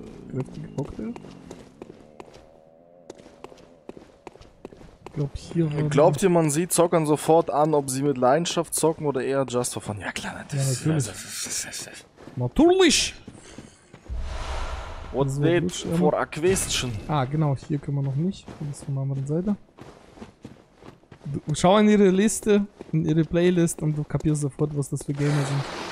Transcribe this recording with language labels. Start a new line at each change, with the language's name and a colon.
German: Kräftige Cocktail. Glaubt ihr, man sieht Zockern sofort an, ob sie mit Leidenschaft zocken oder eher
English: just for fun?
German: Ja klar, natürlich.
English: What's that for a question?
German: Ah, genau, hier können wir noch nicht. Das ist von der anderen Seite. Schau in ihre Liste, in ihre Playlist und du kapierst sofort, was das für Gamer sind.